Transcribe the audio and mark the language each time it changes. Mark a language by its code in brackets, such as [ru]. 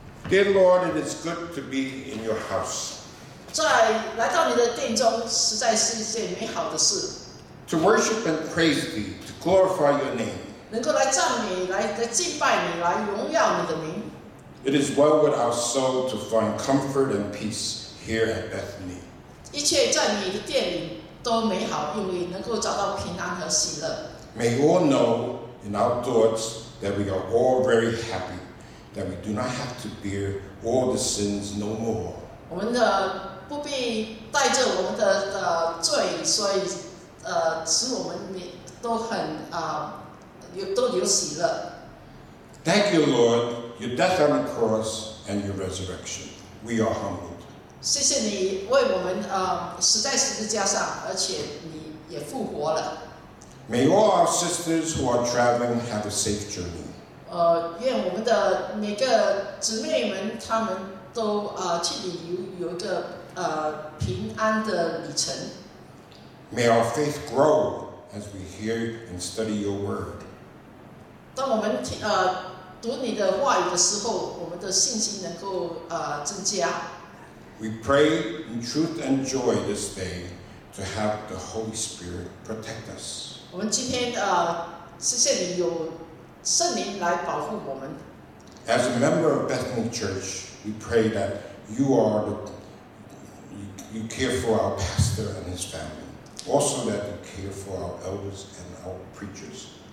[en] Dear Lord, it is good to be in your house. [zh] 在来到你的殿中实在是一件美好的事, [en] to worship and praise thee, to glorify your name. [zh] 能够来赞美你，来敬拜你，来荣耀你的名。 [en] It is well with our soul to find comfort and peace here at Bethany. [zh] 一切在你的殿里都美好，因为能够找到平安和喜乐。 [en] May you all know in our thoughts that we are all very happy, that we do not have to bear all the sins no more. [zh] 我们的不必带着我们的罪，所以使我们都很都有喜乐。 [en] Thank you, Lord, your death on the cross and your resurrection. We are humbled. [zh] 谢谢你为我们死在十字架上，而且你也复活了。 [en] May all our sisters who are traveling have a safe journey. [zh] 愿我们的每个姊妹们，她们都去旅游，有一个平安的旅程。 [en] May our faith grow as we hear and study your word. [zh] 当我们读你的话语的时候，我们的信心能够增加。 [en] We pray in truth and joy this day to have the Holy Spirit protect us. [zh] 我们今天谢谢你有圣灵来保护我们。 [en] As a member of Bethany Church, we pray that you are you care for our pastor and his family. Also that you care for our elders and our preachers.